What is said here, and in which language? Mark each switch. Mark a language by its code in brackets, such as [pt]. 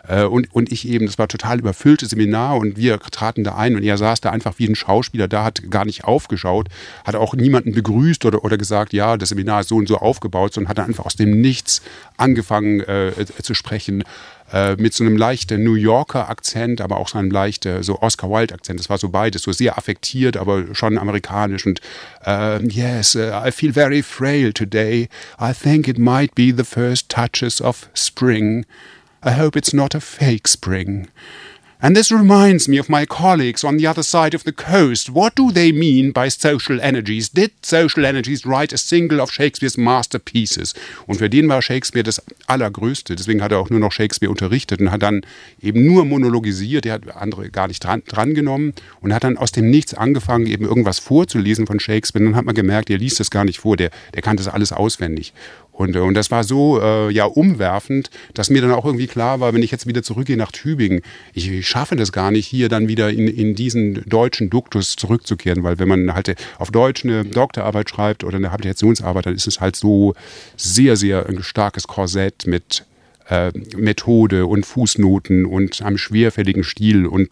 [de] und ich eben, das war ein total überfülltes Seminar, und wir traten da ein, und er saß da einfach wie ein Schauspieler da, hat gar nicht aufgeschaut, hat auch niemanden begrüßt oder gesagt, ja, das Seminar ist so und so aufgebaut, sondern hat einfach aus dem Nichts angefangen zu sprechen, mit so einem leichten New Yorker Akzent, aber auch so einem leichten so Oscar Wilde Akzent. Das war so beides, so sehr affektiert, aber schon amerikanisch. Und [en] I feel very frail today. I think it might be the first touches of spring. I hope it's not a fake spring. And this reminds me of my colleagues on the other side of the coast. What do they mean by social energies? Did social energies write a single of Shakespeare's masterpieces? [de] Und für den war Shakespeare das Allergrößte. Deswegen hat er auch nur noch Shakespeare unterrichtet und hat dann eben nur monologisiert. Er hat andere gar nicht dran genommen und hat dann aus dem Nichts angefangen, eben irgendwas vorzulesen von Shakespeare. Und dann hat man gemerkt, er liest das gar nicht vor. Der kann das alles auswendig. Und das war so umwerfend, dass mir dann auch irgendwie klar war, wenn ich jetzt wieder zurückgehe nach Tübingen, ich schaffe das gar nicht, hier dann wieder in diesen deutschen Duktus zurückzukehren, weil wenn man halt auf Deutsch eine Doktorarbeit schreibt oder eine Habilitationsarbeit, dann ist es halt so sehr, sehr ein starkes Korsett mit Methode und Fußnoten und einem schwerfälligen Stil.